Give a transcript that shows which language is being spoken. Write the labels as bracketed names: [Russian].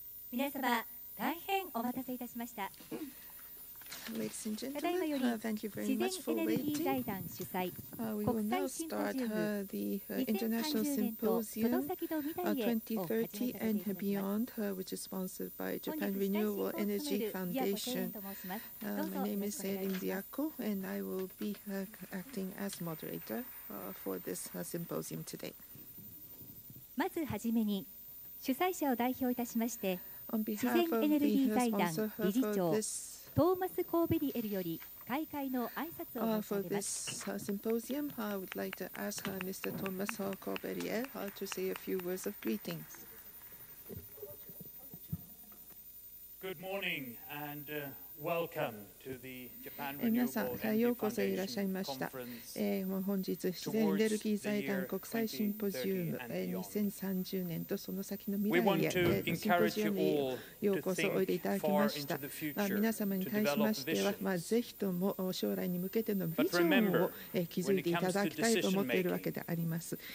[Japanese] 皆様、大変お待たせいたしました。ただいまより自然エネルギー財団主催国際シンポジウム2030年とその先の未来へを始めさせていただきます。本日は最初に Renewable Energy Foundation [English] My name is Erin Diaco and I will be acting as moderator for this symposium today. [Japanese] まずはじめに主催者を代表いたしまして自然エネルギー財団理事長トーマス・コーベリエルより開会の挨拶を申し上げます。 [English] For this symposium, I would like to ask Mr. Thomas Corbelier to say a few words of greetings. Good morning and welcome to the Japan Renewable Energy Foundation Conference. [Japanese] 本日自然エネルギー財団国際シンポジウム2030年とその先の未来へのシンポジウムにようこそおいでいただきました。皆様に対しましてはぜひとも将来に向けてのビジョンを築いていただきたいと思っているわけであります。